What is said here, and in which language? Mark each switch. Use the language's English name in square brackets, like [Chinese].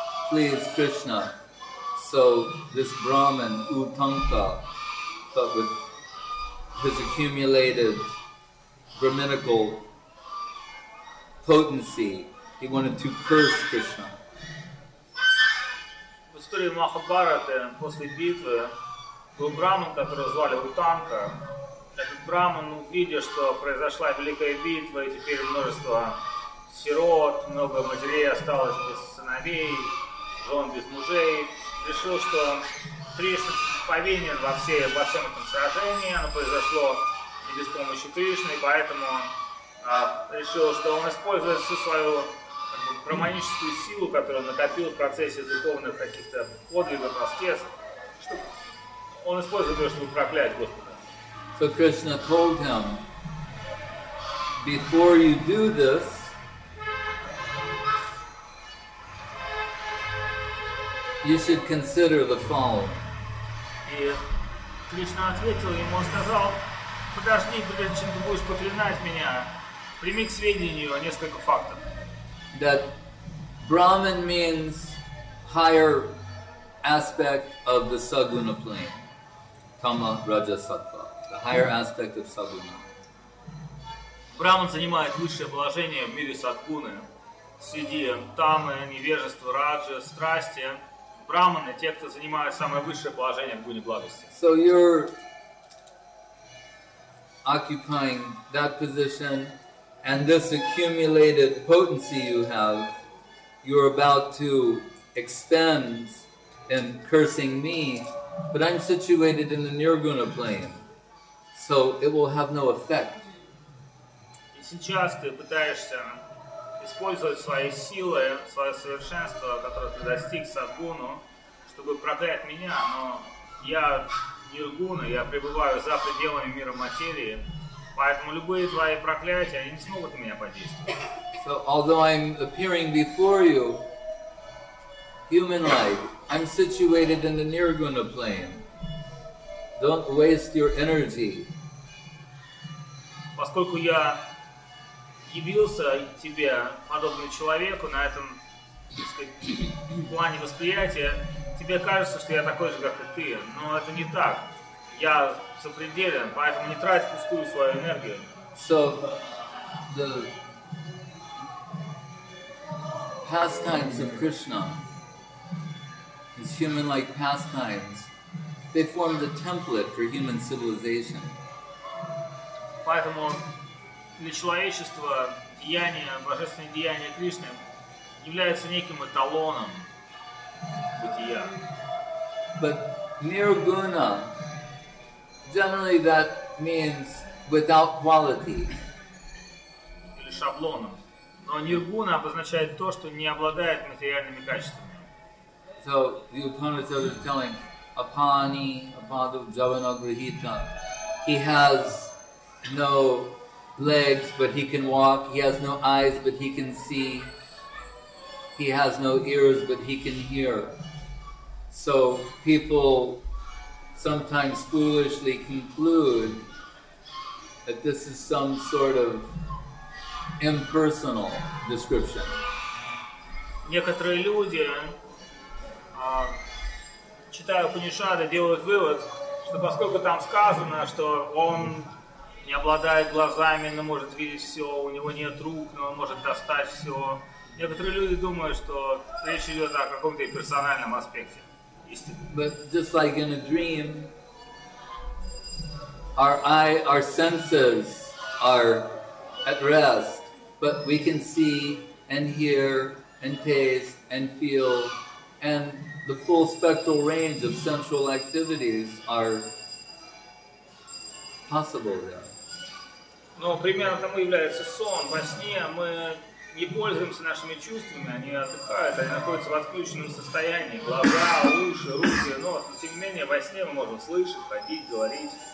[English] please Krishna. So this Brahman, Utanka, but with his accumulated brahminical potency, he wanted to curse Krishna. [Russian] В истории Махабхараты после битвы был Браман, которого звали Утанка. Этот Браман увидел, что произошла великая битва, и теперь множество сирот, много матерей осталось без сыновей, жен без мужей. Решил, что Кришна повинен во всем этом сражении, оно произошло и без помощи Кришны, и поэтому решил, что он использует всю свою романическую силу, которую он накопил в процессе духовных каких-то подвигов, аскез, чтобы он использует ее, чтобы проклять Господа. [English] So Krishna told him, before you do this, you should consider the following. [Russian] И Кришна ответил ему, он сказал, подожди, прежде чем ты будешь проклинать меня, прими к сведению несколько фактов. [English] That Brahman means higher aspect of the Saguna plane, Tama, Raja, Sattva, the higher aspect of Saguna. [Russian] Brahman занимает высшее положение в мире Сатгуны, среди Тамы, невежества, Раджа, страсти. Браманы – те, кто занимает самое высшее положение в Гуне Благости. [English] So you're occupying that position, and this accumulated potency you have, you're about to expend in cursing me, but I'm situated in the Nirguna plane, so it will have no effect. [Russian] И сейчас ты пытаешься использовать свои силы, свое совершенство, которое ты достиг Садгуну, чтобы проклять меня, но я Ниргуна, я пребываю за пределами мира материи, поэтому любые твои проклятия, они не смогут на меня подействовать. [English] So, although I'm appearing before you, human-like, I'm situated in the Nirguna plane. Don't waste your energy. [Russian] Поскольку я явился тебе подобным человеку на этом, так сказать, плане восприятия, тебе кажется, что я такой же, как и ты, но это не так. Я сопределен, поэтому не трать пустую свою энергию. [English] So, the pastimes of Krishna, his human-like pastimes, they form the template for human civilization. [Russian] Поэтому для человечества деяния, божественные деяния Кришны являются неким эталоном бытия. [English] But nirguna, generally that means without quality. [Russian] Или шаблоном. Но nirguna обозначает то, что не обладает материальными качествами. [English] So the Upanishad is telling Apani, Apadu, Javanagrihita, he has no legs, but he can walk. He has no eyes, but he can see. He has no ears, but he can hear. So people sometimes foolishly conclude that this is some sort of impersonal description. [Russian] Некоторые люди, читая Упанишады, делают вывод, что поскольку там сказано, что он не обладает глазами, но может видеть все, у него нет рук, но он может достать все. Некоторые люди думают, что речь идет о каком-то персональном аспекте. [English] But just like in a dream, our eye, our senses are at rest, but we can see and hear and taste and feel, and the full spectral range of sensual activities are possible there. [Russian] Но примерно тому является сон. Во сне мы не пользуемся нашими чувствами, они отдыхают, они находятся в отключенном состоянии. Глаза, уши, руки, нос. Но тем не менее, во сне мы можем слышать, ходить, говорить.